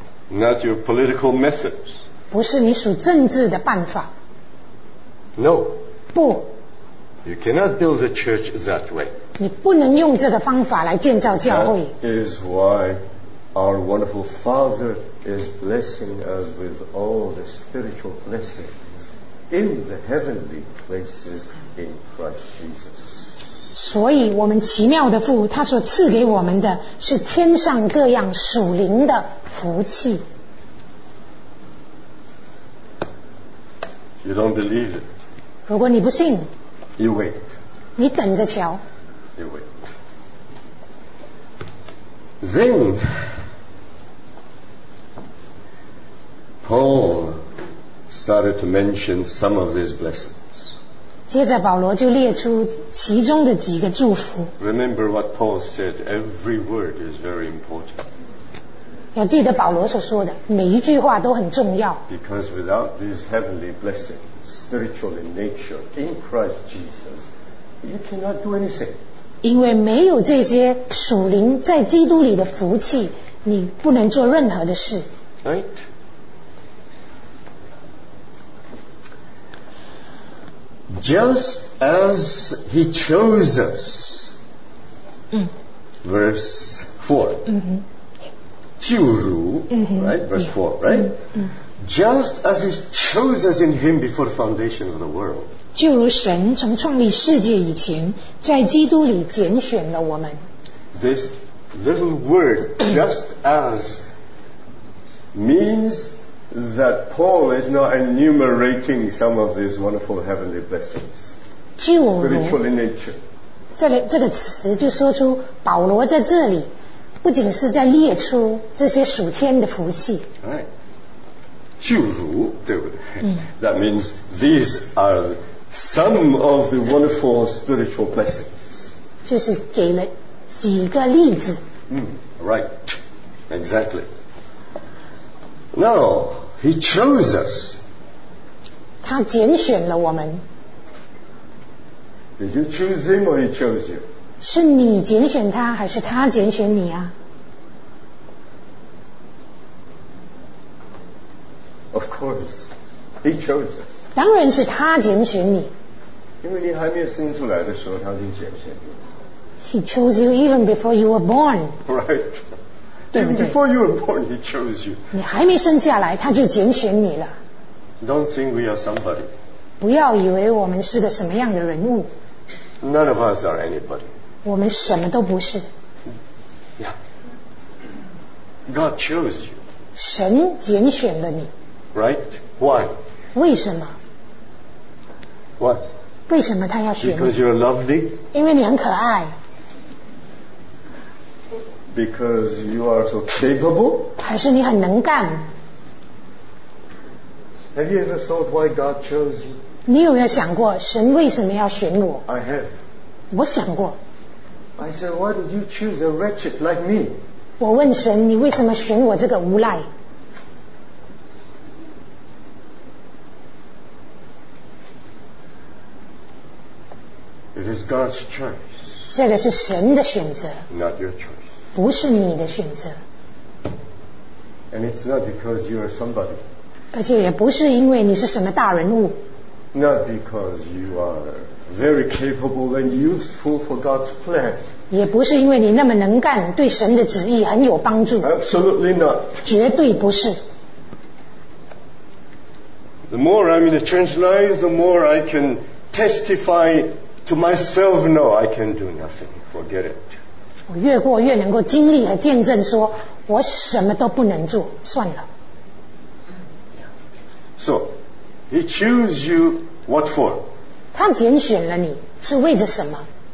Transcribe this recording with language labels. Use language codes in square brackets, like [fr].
[en] Not your political methods. [zh] 不是你属政治的办法。 [en] No. [zh] 不。 [en] You cannot build a church that way. [zh] 你不能用这个方法来建造教会。 [en] That is why our wonderful Father is blessing us with all the spiritual blessings in the heavenly places in Christ Jesus. [zh] 所以我们奇妙的父，他所赐给我们的是天上各样属灵的福气。 [en] You don't believe it. [zh] 如果你不信， [en] you wait. [zh] 你等着瞧。 [en] You wait. Then Paul started to mention some of these blessings. [zh] 接着保罗就列出其中的几个祝福。 [en] Remember what Paul said. Every word is very important. [zh] 要记得保罗所说的每一句话都很重要。 [en] Because without these heavenly blessings, spiritual in nature, in Christ Jesus, you cannot do anything. [zh] 因为没有这些属灵在基督里的福气，你不能做任何的事。 [en] Right. Just as he chose us. Verse 4. [zh] 就如、 [en] Just as he chose us in him before the foundation of the world. [zh] 就如神从创立世界以前，在基督里拣选了我们。 [en] This little word, just as, means that Paul is not enumerating some of these wonderful heavenly blessings. [zh] 就如 [en] spiritual in nature. [zh] 这个词就说出保罗在这里。不仅是在列出这些属天的福气。 [en] Right. [zh] 就如，对不对？ [en] That means these are some of the wonderful spiritual blessings. [zh] 就是给了几个例子。 [en] Right. Exactly. Now, he chose us. [zh] 他拣选了我们。 [en] Did you choose him or he chose you? [zh] 是你拣选他还是他拣选你啊？ [en] Of course, he chose us. [zh] 当然是他拣选你。因为你还没有生出来的时候，他已经拣选你。 [en] He chose you even before you were born. Right. [zh] 对不对？ [en] Even before you were born, he chose you. [zh] 你还没生下来，他就拣选你了。 [en] Don't think we are somebody. [zh] 不要以为我们是个什么样的人物。 [en] None of us are anybody. [zh] 我们什么都不是。 [en] Yeah. God chose you. [zh] 神拣选了你。 [en] Right? Why? [zh] 为什么？ [en] What? [zh] 为什么他要选你？ [en] Because you're lovely. [zh] 因为你很可爱。 [en] Because you are so capable. [zh] 还是你很能干。 [en] Have you ever thought why God chose you? [zh] 你有没有想过神为什么要选我？ [en] I have. [zh] 我想过。 [en] I said, why did you choose a wretched like me? [zh] 我问神，你为什么选我这个无赖？ [en] It is God's choice. [zh] 这个是神的选择。 [en] Not your choice. [zh] 不是你的选择。 [en] And it's not because you are somebody. [zh] 而且也不是因为你是什么大人物。 [en] Not because you are very capable and useful for God's plan. [zh] 也不是因为你那么能干，对神的旨意很有帮助。 [en] Absolutely not. [zh] 绝对不是。 [en] The more I'm in the church life, the more I can testify to myself, no, I can do nothing. Forget it. [zh] 我越过越能够经历和见证说我什么都不能做，算了。 [en] So, he chose you what for? [zh] 他拣选了你是为着什么？